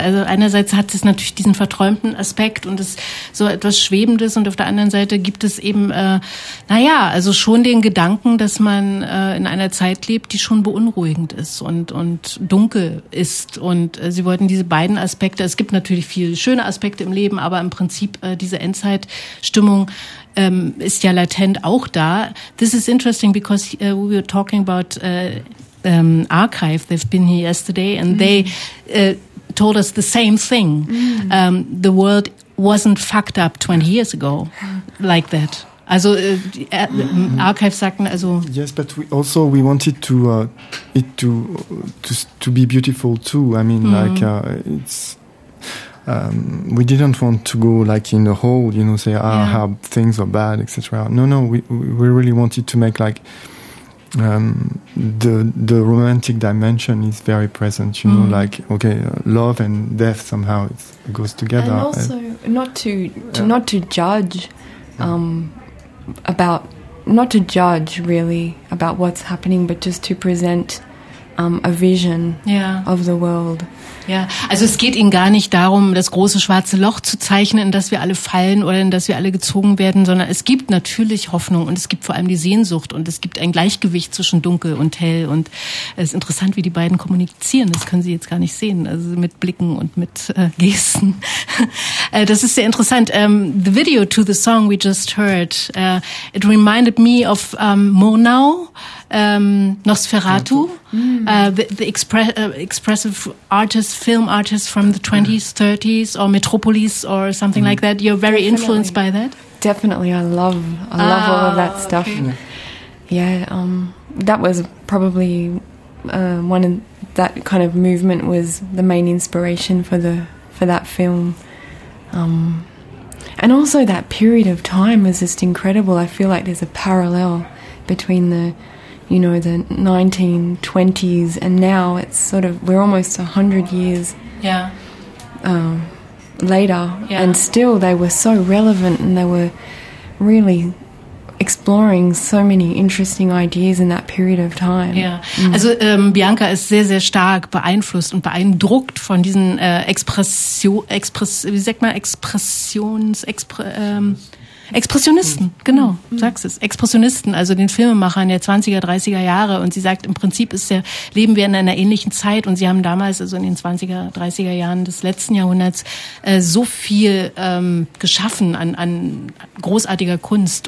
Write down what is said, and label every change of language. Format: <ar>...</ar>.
<de>Also einerseits hat es natürlich diesen verträumten Aspekt und es so etwas Schwebendes, und auf der anderen Seite gibt es eben, also schon den Gedanken, dass man in einer Zeit lebt, die schon beunruhigend ist und dunkel ist. Und sie wollten diese beiden Aspekte, es gibt natürlich viele schöne Aspekte im Leben, aber im Prinzip diese Endzeitstimmung ist ja latent auch da.</de> <en>This is interesting because we were talking about Archive. They've been here yesterday and they told us the same thing. Mm. The world wasn't fucked up 20 years ago like that.</en> <de>Also Archive sagten also...</de> <en>Yes, but we wanted to be beautiful too. I mean, it's... we didn't want to go like in a hole, you know, say how things are bad, etc. No, we really wanted to make like the romantic dimension is very present, you know, like okay, love and death somehow it goes together. And also not to judge really about what's happening, but just to present a vision of the world.</en> <de>Ja, also es geht ihnen gar nicht darum, das große schwarze Loch zu zeichnen, in das wir alle fallen oder in das wir alle gezogen werden, sondern es gibt natürlich Hoffnung und es gibt vor allem die Sehnsucht und es gibt ein Gleichgewicht zwischen dunkel und hell. Und es ist interessant, wie die beiden kommunizieren. Das können Sie jetzt gar nicht sehen, also mit Blicken und mit Gesten. Das ist sehr interessant.</de> <en>The video to the song we just heard, it reminded me of Murnau, Nosferatu, expressive film artist from the 20s, 30s, or Metropolis, or something like that. You're very influenced by that? Definitely. I love all of that stuff. Okay. Yeah. That was probably one of that kind of movement was the main inspiration for that film. And also that period of time was just incredible. I feel like there's a parallel between the you know, the 1920s, and now it's sort of, we're almost 100 years later, and still they were so relevant, and they were really exploring so many interesting ideas in that period of time.</en> <de>Ja, also Bianca ist sehr, sehr stark beeinflusst und beeindruckt von diesen Expressionisten, genau, sagst es. Expressionisten, also den Filmemachern der 20er, 30er Jahre. Und sie sagt, im Prinzip ist der, leben wir in einer ähnlichen Zeit. Und sie haben damals, also in den 20er, 30er Jahren des letzten Jahrhunderts, so viel geschaffen an großartiger Kunst.</de>